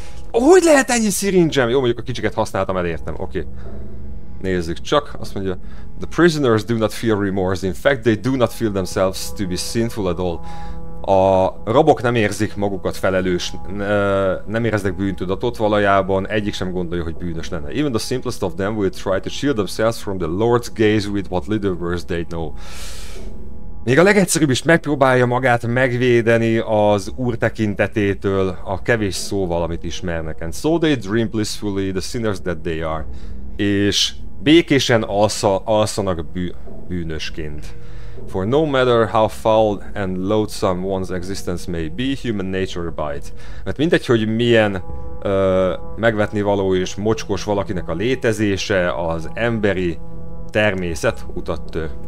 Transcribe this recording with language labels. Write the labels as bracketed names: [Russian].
[Hungarian] Hogy lehet ennyi szirincsem? Jó, mondjuk a kicsiket használtam, elértem, oké. Nézzük csak, azt mondja, [English] the prisoners do not feel remorse, in fact they do not feel themselves to be sinful at all. [Hungarian] A rabok nem érzik magukat felelős, nem éreznek bűntudatot valójában, egyik sem gondolja, hogy bűnös lenne. [English] Even the simplest of them will try to shield themselves from the Lord's gaze with what little worse they know. [Hungarian] Még a legegyszerűbb is megpróbálja magát megvédeni az Úr tekintetétől a kevés szóval, amit ismernek. [English] And so they dream blissfully the sinners that they are. [Hungarian] És békésen alszanak bűnösként. [English] For no matter how foul and loathsome one's existence may be, human nature abides. [Hungarian] Mert mindegy, hogy milyen megvetni való és mocskos valakinek a létezése, az emberi természet utat tör.